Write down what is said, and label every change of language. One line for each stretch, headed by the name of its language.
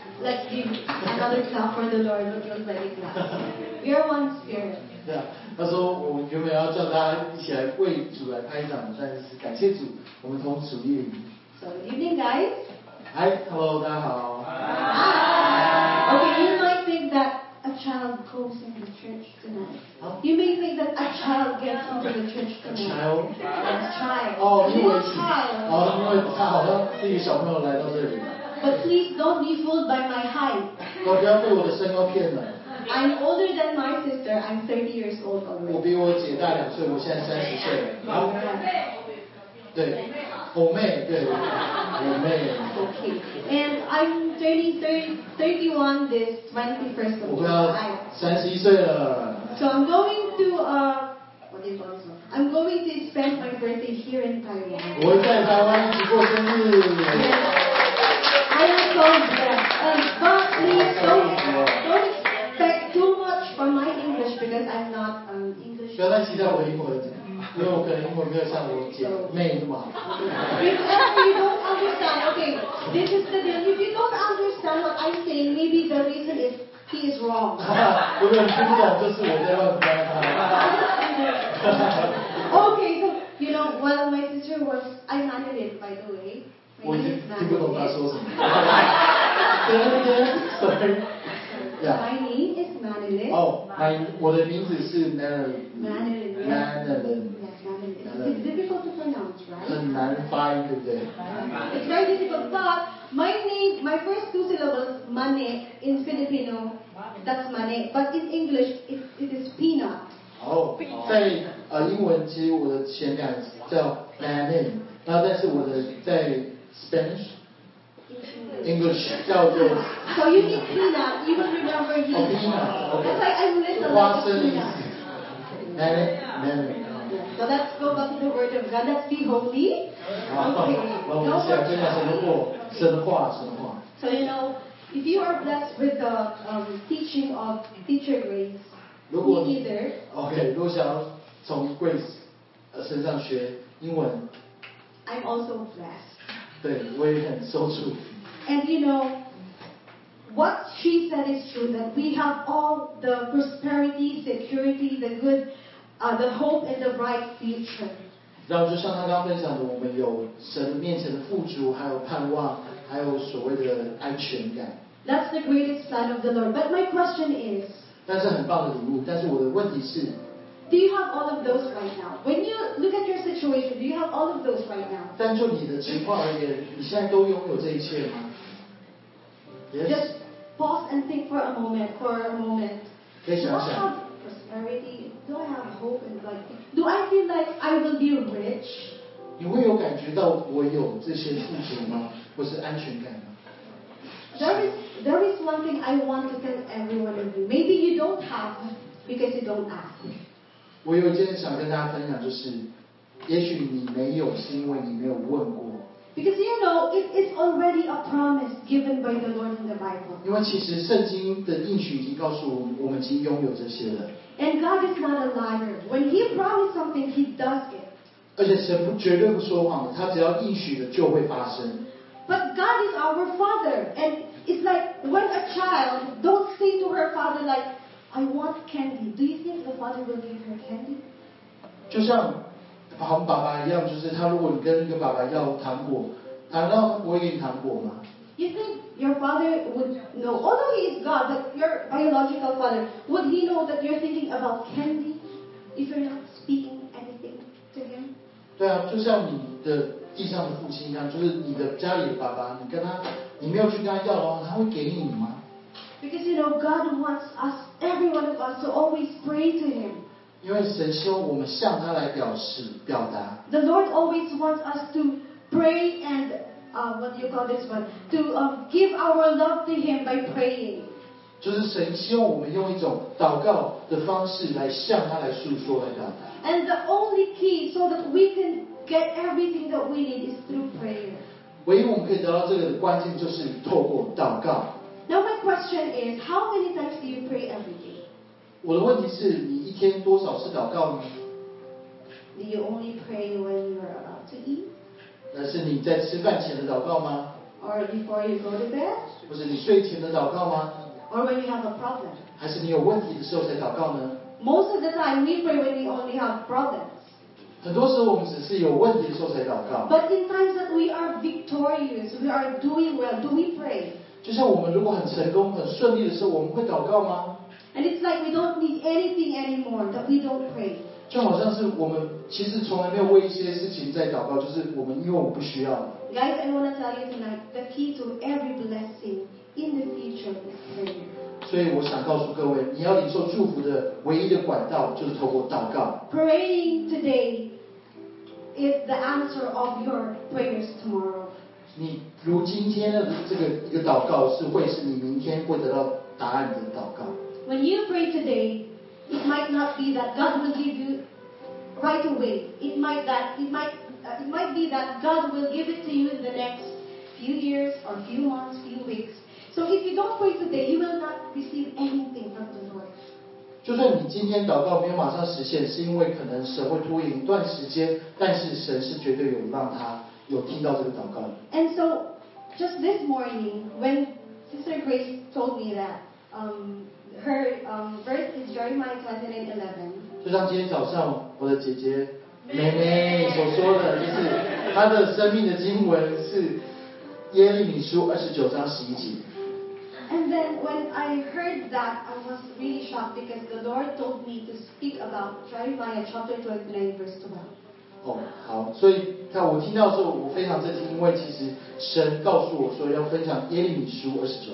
English: Another song for the Lord, looking like that. We are one spirit.
Chinese: Yeah, 他说我原本要叫他一起来为主来拍掌，但是感谢主，我们同属灵。
English: So, evening, guys. Hi, hello,
Chinese: 大家好。
English: Hi. Okay, you might think that a child comes into the church tonight. You may think that a child gets into the church tonight. Child. A child.
Chinese: Oh, 因为是。哦，因为他好像自己小朋友来到这里。
English: But please don't be fooled by my height.
Chinese: 不要被我的身高骗了。
English: I'm older than my sister. I'm 30 years old already.
Chinese: 我比我姐大两岁，我现在30岁。好。对，我妹，对，我妹。
English: Okay. And I'm 31 this 21st of
Chinese: July. 我要31岁了。
English: So I'm going to I'm going to spend my birthday here in Taiwan.
Chinese: 我会在台湾一起过生日。
English: I am so blessed. But please don't expect too much from my English because I'm not English.
Chinese: 不要太期待我的英文，因为我可能英文没有像我姐妹那么好。
English: Because if you don't understand, okay, this is the deal. If you don't understand what I'm saying, maybe the reason is he is wrong.
Chinese: 哈哈，我有听不懂，就是我在乱翻他。
English: Okay, so you know, while my sister was, I handed it by the way.
Chinese: 我已经听不懂他说什么。
English: Sorry. My name is Madeline.
Chinese: Oh, my, 我的名字是 Madeline.
English: Madeline. Yes, Madeline. It's difficult to pronounce, right?
Chinese: 很难发音，对不对？
English: It's very difficult, but my name, my first two syllables, Mane, in Filipino, that's Mane, but in English, it is Peanut.
Chinese: Oh, 在英文其实我的前两个叫 Madeline， 那但是我的在Spanish,
English: English,
Chinese: 叫做。
English: So you need peanut. You will remember you. Oh, peanut. Okay. That's why I listen to
Chinese: you. 花生意思。Manny.
English: So let's go back to the word of God. Let's be holy. Okay.
Chinese: 我们想分享神的话，神的话，神的话。
English: So you know, if you are blessed with the teaching of teacher Grace, me either.
Chinese: Okay. 如果想从 Grace 身上学英文。
English: I'm also blessed.
Chinese: 对，我也很受祝福。
English: And you know, what she said is true. That we have all the prosperity, security, the good, the hope, and the bright future.
Chinese: 然后就像她刚刚分享的，我们有神面前的富足，还有盼望，还有所谓的安全感。
English: That's the greatest plan of the Lord. But my question is.
Chinese: 但是很棒的礼物，但是我的问题是。
English: Do you have all of those right now? When you look at your situation, do you have all of those right now?
Chinese: 但就你的情况而言，你现在都拥有这一切吗？
English: Yes. Just pause and think for a moment. Do I have prosperity? Do I have hope and like? Do I feel like I will be rich?
Chinese: 你会有感觉到我有这些富足吗？或是安全感吗？
English: There is one thing I want to tell everyone of you. Maybe you don't have because you don't ask.
Chinese: 我有一件想跟大家分享，就是，也许你没有，是因为你没有问过。
English: Because you know, it is already a promise given by the Lord in the Bible.
Chinese: 因为其实圣经的应许已经告诉我们，我们已经拥有这些了。
English: And God is not a liar. When He promised something, He does it.
Chinese: 而且神绝对不说谎的，他只要应许的就会发生。
English: But God is our Father, and it's like when a child don't say to her father like, "I want candy." Do you think the father will give her candy?
Chinese: 就像好爸爸一样，就是他。如果你跟一个爸爸要糖果，难道不会给你糖果吗
English: ？You think your father would know? Although he is God, but your biological father, would he know that you're thinking about candy if you're not speaking anything to him?
Chinese: 对啊，就像你的地上的父亲一样，就是你的家里的爸爸，你跟他，你没有去跟他要的话，他会给你吗
English: ？Because you know God wants us, every one of us, to always pray to Him.
Chinese: 因为神希望我们向他来表示表达。
English: The Lord always wants us to pray and、what do you call this one? To、give our love to Him by praying.
Chinese: 就是神希望我们用一种祷告的方式来向他来诉说来表达。
English: And the only key so that we can get everything that we need is through prayer.
Chinese: 唯一我们可以得到这个的关键就是透过祷告。
English: Now my question is, how many times do you pray every day?
Chinese: 我的问题是你一天多少次祷告呢
English: Do you only pray when you are about to eat?
Chinese: 那是你在吃饭前的祷告吗
English: Or before you go to bed?
Chinese: 或是你睡前的祷告吗
English: Or when you have a problem?
Chinese: 还是你有问题的时候才祷告呢
English: Most of the time we pray when we only have problems.
Chinese: 很多时候我们只是有问题的时候才祷告
English: But in times that we are victorious, we are doing well, do we pray?
Chinese: 就像我们如果很成功很顺利的时候我们会祷告吗
English: And it's like we don't need anything anymore that we don't pray.
Chinese: 就好像是我们其实从来没有为一些事情在祷告，就是我们因为我们不需要。
English: Guys, I want to tell you tonight, the key to every blessing in the future is prayer.
Chinese: 所以我想告诉各位，你要领受祝福的唯一的管道就是透过祷告。
English: Praying today is the answer of your prayers tomorrow.
Chinese: 你如今天的这个一个祷告是会是你明天会得到答案的祷告。
English: When you pray today, it might not be that God will give you right away. It might be that God will give it to you in the next few years or few months, few weeks. So if you don't pray today, you will not receive anything from the Lord.
Chinese: 就算你今天祷告没有马上实现，是因为可能神会拖延一段时间，但是神是绝对有让他有听到这个祷告的。
English: And so, just this morning, when Sister Grace told me that, Her verse is Jeremiah 29:11.
Chinese: 就像今天早上我的姐姐妹妹所说的，就是她的生命的经文是耶利米书29:11。
English: And then when I heard that, I was really shocked because the Lord told me to speak about Jeremiah chapter 29:12.
Chinese: 哦，好，所以看我听到的时候，我非常震惊，因为其实神告诉我说要分享耶利米书29:11。